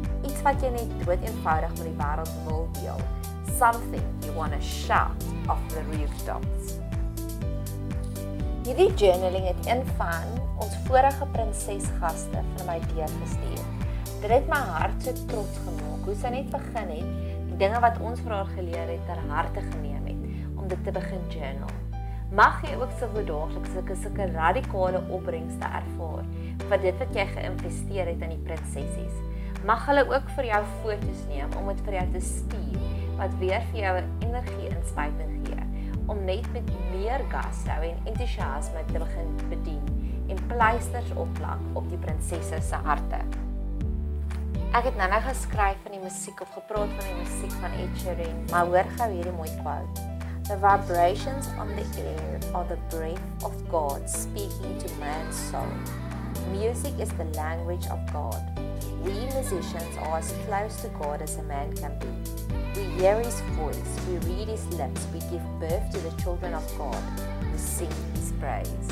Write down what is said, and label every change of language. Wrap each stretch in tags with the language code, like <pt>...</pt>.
<af>Iets wat jy net dood eenvoudig met die wêreld wil deel.</af> <en>Something you want to shout off the rooftops.</en> <af>Hierdie journaling het een van ons vorige prinsesgaste vir my deur gestuur. Dit het my hart so trots gemaak hoe sy net begin het die dinge wat ons vir haar geleer het ter harte geneem het om dit te begin journal. Mag jy ook sulke daagliks sulke radikale opbrengste ervaar van dit wat jy geïnvesteer het in die prinsesies. Mag hulle ook vir jou foto's neem om dit vir jou te stuur, wat weer vir jou energie inspuiting gee om net met meer gas hou en enthousiasme te begin bedien en pleisters opplak op die prinsesse se harte. Ek het nou geskryf van die musiek of gepraat van die musiek van Ed Sheeran, maar hoor gou hierdie mooi quote.</af> <en>The vibrations on the air are the breath of God speaking to man's soul. Music is the language of God. We musicians are as close to God as a man can be. We hear his voice, we read his lips, we give birth to the children of God, we sing his praise.</en>